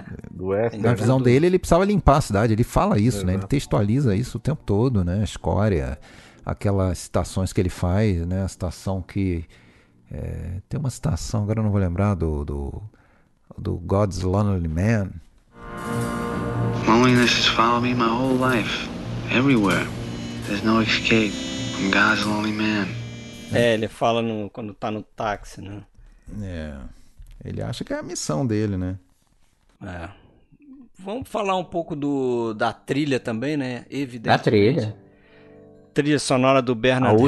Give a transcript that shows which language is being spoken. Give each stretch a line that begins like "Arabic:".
Portuguese: Do Western, na visão dele, ele precisava limpar a cidade. Ele fala isso, né? Ele textualiza isso o tempo todo, né? Escória, aquelas citações que ele faz, né? A citação que... tem uma citação, agora eu não vou lembrar, do God's Lonely Man.
English: Loneliness has followed me my whole life. Everywhere. There's no escape. I'm God's Lonely Man.
Portuguese: Ele fala quando tá no táxi, né? Ele acha que é a missão dele, né? Vamos falar um pouco da trilha também, né? Evidentemente. Da trilha. Trilha sonora do Bernard